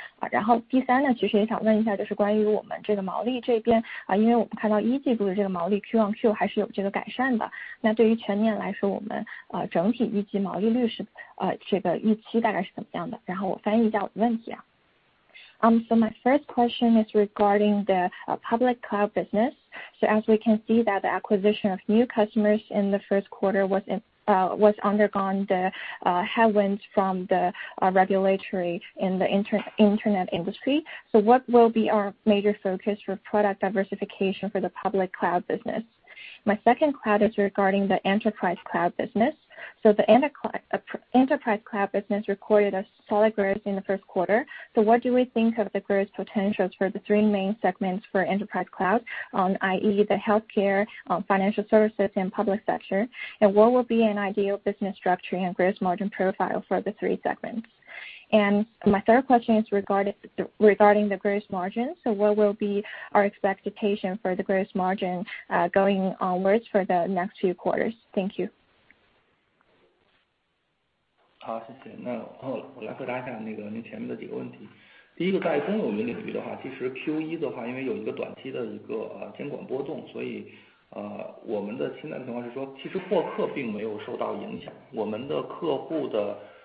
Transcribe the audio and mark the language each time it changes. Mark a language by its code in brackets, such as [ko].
[zh] 然后第三呢，其实也想问一下，就是关于我们这个毛利这边因为我们看到一季度的这个毛利 Q1Q 还是有这个改善的，那对于全年来说，我们整体预计毛利率是这个预期大概是怎么样的？然后我翻译一下我的问题啊。 [en] So my first question is regarding the public cloud business. So as we can see that the acquisition of new customers in the first quarter was undergone the headwinds from the regulatory in the internet industry. So what will be our major focus for product diversification for the public cloud business? My second cloud is regarding the enterprise cloud business. So the enterprise cloud business recorded a solid growth in the first quarter. So what do we think of the growth potentials for the three main segments for enterprise cloud, i.e. the healthcare, financial services, and public sector? And what will be an ideal business structure and growth margin profile for the three segments? And my third question is regarding the gross margin. So what will be our expectation for the gross margin going onwards for the next few quarters? Thank you. [zh] 好，谢谢。那我来回答一下那个您前面的几个问题。第一个，在公有云领域的话，其实 Q1 的话，因为有一个短期的一个监管波动，所以我们的现在的情况是说，其实获客并没有受到影响，我们的客户的